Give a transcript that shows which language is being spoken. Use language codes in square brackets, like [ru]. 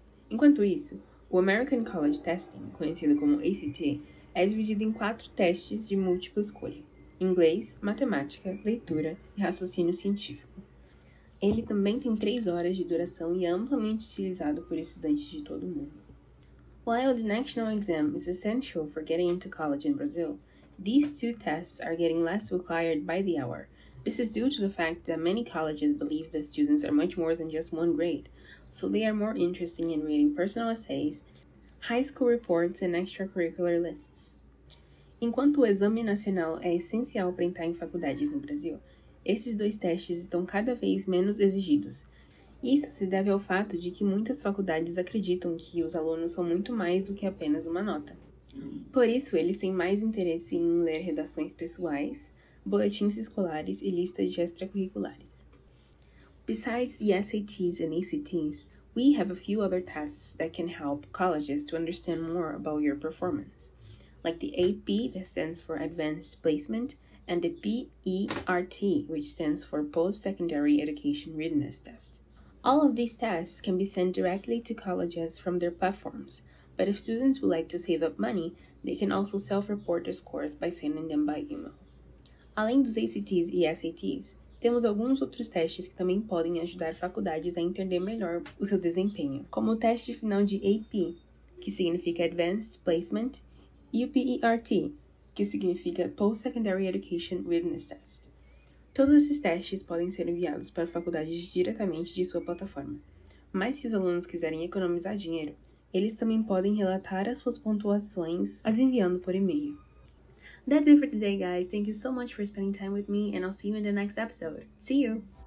[pt] Enquanto isso, o American College Testing, conhecido como ACT, é dividido em 4 testes de múltipla escolha: inglês, matemática, leitura e raciocínio científico. Ele também tem 3 horas de duração e é amplamente utilizado por estudantes de todo o mundo. [en] While the national exam is essential for getting into college in Brazil, these two tests are getting less required by the hour. This is due to the fact that many colleges believe that students are much more than just one grade, so they are more interested in reading personal essays, high school reports, and extracurricular lists. [pt] Enquanto o exame nacional é essencial para entrar em faculdades no Brasil, esses dois testes estão cada vez menos exigidos. Isso se deve ao fato de que muitas faculdades acreditam que os alunos são muito mais do que apenas uma nota. Por isso, eles têm mais interesse em ler redações pessoais, boletins escolares e listas de extracurriculares. [en] Besides the SATs and ACTs, we have a few other tests that can help colleges to understand more about your performance, like the AP, that stands for Advanced Placement, and the PERT, which stands for Post-Secondary Education Readiness Test. All of these tests can be sent directly to colleges from their platforms, but if students would like to save up money, they can also self-report their scores by sending them by email. [pt] Além dos ACTs e SATs, temos alguns outros testes que também podem ajudar faculdades a entender melhor o seu desempenho, como o teste final de AP, que significa Advanced Placement, e o PERT, que significa Post-Secondary Education Readiness Test. Todos esses testes podem ser enviados para faculdades diretamente de sua plataforma, mas se os alunos quiserem economizar dinheiro, eles também podem relatar as suas pontuações as enviando por e-mail. [en] That's it for today, guys. Thank you so much for spending time with me, and I'll see you in the next episode. See you!